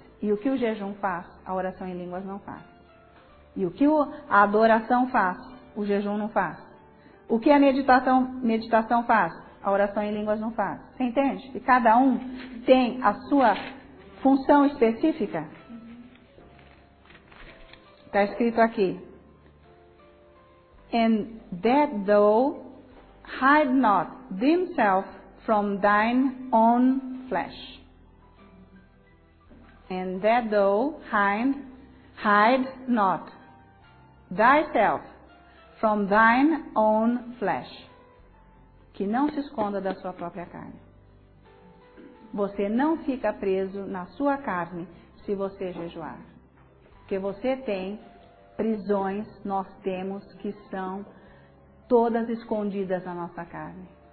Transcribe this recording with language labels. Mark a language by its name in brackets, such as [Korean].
[Portuguese] E o que o jejum faz, a oração em línguas não faz. E o que a adoração faz, o jejum não faz. O que a meditação faz, a oração em línguas não faz. Você entende? E cada um tem a sua função específica. Está escrito aqui. [English] And that though hide not themselves from thine own flesh. And that though hide not thyself from thine own flesh. [Portuguese] Que não se esconda da sua própria carne. Você não fica preso na sua carne se você jejuar. Porque você tem prisões, nós temos, que são todas escondidas na nossa carne.